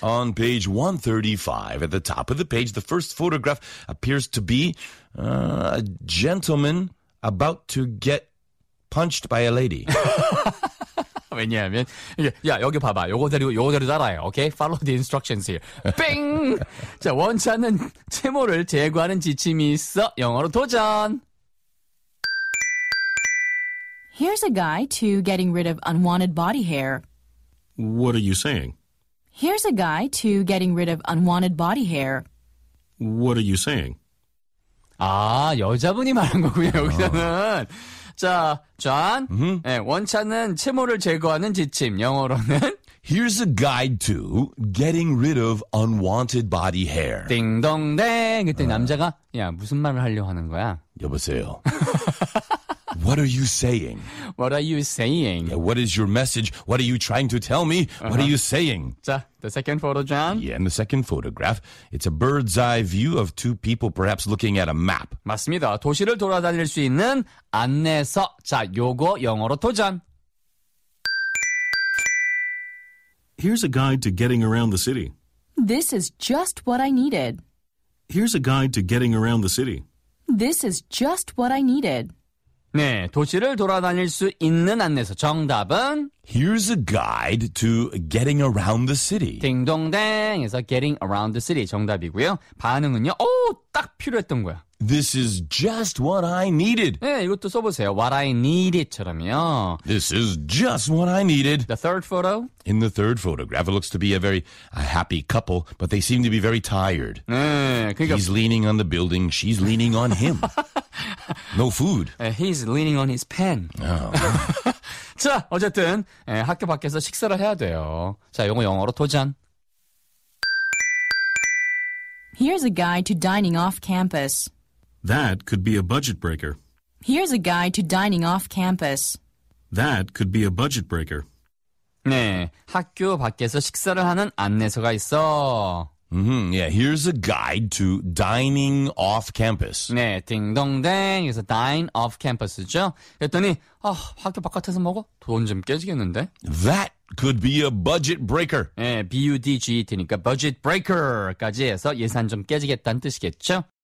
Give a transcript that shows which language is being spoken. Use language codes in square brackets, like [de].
[en] On page 135, at the top of the page, the first photograph appears to be a gentleman about to get punched by a lady. [ko] 왜냐하면 야, 여기 봐봐. 요거대로 따라해. 오케이? [en] Follow the instructions here. 빙! [ko] 자, 원치 않는 채모를 제거하는 지침이 있어. 영어로 도전! [en] Here's a guide to getting rid of unwanted body hair. What are you saying? Here's a guide to getting rid of unwanted body hair. What are you saying? [ko] 아, 여자분이 말한 거군요. 여기서는. 자, 존, 네, 원치 않는 채모를 제거하는 지침, 영어로는 [en] Here's a guide to getting rid of unwanted body hair. [ko] 띵동댕, 그때 남자가 야, 무슨 말을 하려고 하는 거야? 여보세요. [en] What are you saying? What are you saying? Yeah, what is your message? What are you trying to tell me? Uh-huh. What are you saying? 자, the second photo, John. Yeah, in the second photograph, it's a bird's eye view of two people perhaps looking at a map. [ko] 맞습니다. 도시를 돌아다닐 수 있는 안내서. 자, 요거 영어로 도전. [en] Here's a guide to getting around the city. This is just what I needed. Here's a guide to getting around the city. This is just what I needed. [ko] 네, 도시를 돌아다닐 수 있는 안내서 정답은 [en] Here's a guide to getting around the city. [ko] 딩동댕에서 [en] getting around the city [ko] 정답이고요. 반응은요, 오, 딱 필요했던 거야. [en] This is just what I needed. [ko] 네, 이것도 써보세요. [en] What I needed처럼요. This is just what I needed. The third photo. In the third photograph, it looks to be a very a happy couple, but they seem to be very tired. 네, 그러니까... He's leaning on the building. She's leaning on him. No food. He's leaning on his pen. Oh. [ko] 자, 어쨌든 학교 밖에서 식사를 해야 돼요. 자, 영어 영어로 도전. [en] Here's a guide to dining off campus. That could be a budget breaker. Here's a guide to dining off campus. That could be a budget breaker. [ko] 네, 학교 밖에서 식사를 하는 안내서가 있어. Mm-hmm. [en] Yeah, here's a guide to dining off campus. [ko] 네, 딩동댕. 여기서 [en] dine off campus죠. [ko] 그랬더니, 아, 학교 바깥에서 먹어? 돈 좀 깨지겠는데? [en] That could be a budget breaker. [ko] 네, budget니까 budget breaker까지 해서 예산 좀 깨지겠다는 뜻이겠죠.